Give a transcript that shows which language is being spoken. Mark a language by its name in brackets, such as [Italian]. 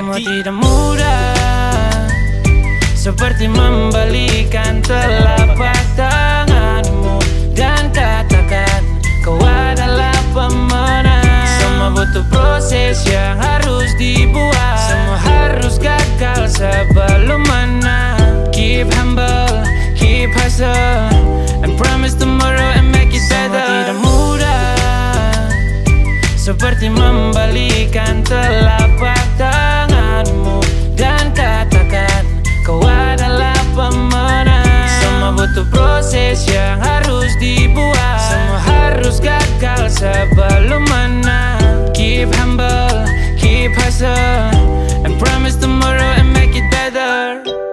[Indonesian] Semua tidak mudah, seperti membalikan telapak tanganmu dan katakan kau adalah pemenang. Semua butuh proses yang harus dibuat, semua harus gagal sebelum menang. [English] Keep humble, keep hustle, and promise tomorrow and make it better. [Indonesian] Semua tidak mudah, seperti membalikan telapak tanganmu dan katakan kau adalah pemenang. Semua butuh proses yang harus dibuat, semua harus gagal sebelum menang. [English] Keep humble, keep hustle, and promise tomorrow and make it better.